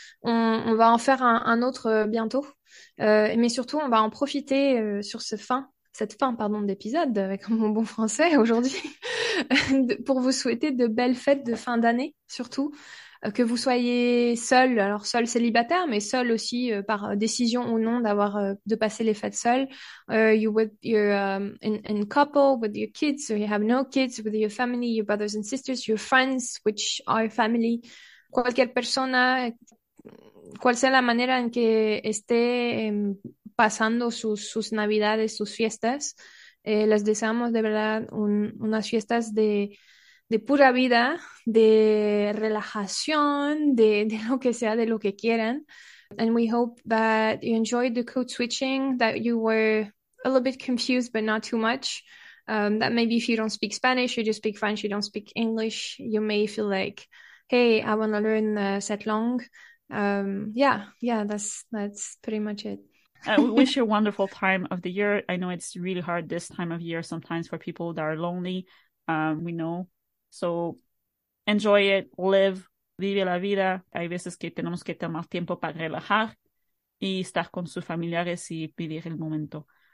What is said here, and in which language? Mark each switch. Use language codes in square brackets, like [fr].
[fr] On va en faire un autre bientôt. Mais surtout, on va en profiter sur cette fin, pardon, d'épisode avec mon bon français aujourd'hui pour vous souhaiter de belles fêtes de fin d'année, surtout. Que vous soyez seul, alors seul célibataire, mais seul aussi par décision ou non d'avoir de passer les fêtes seul. [en] You're in couple with your kids, so you have no kids with your family, your brothers and sisters, your friends, which are family. [es] Cualquier persona, cual sea la manera en que esté pasando sus navidades, sus fiestas, les deseamos de verdad unas fiestas de pura vida, de relajación, de lo que sea, de lo que quieran. [en] And we hope that you enjoyed the code switching, that you were a little bit confused, but not too much. That maybe if you don't speak Spanish, you just speak French, you don't speak English, you may feel like, hey, I want to learn [fr] cette langue. [en] Yeah, that's pretty much it. We wish you a wonderful time of the year. I know it's really hard this time of year sometimes for people that are lonely. We know. So enjoy it, live, [es] vive la vida. Hay veces que tenemos que tomar tiempo para relajar y estar con sus familiares y vivir el momento.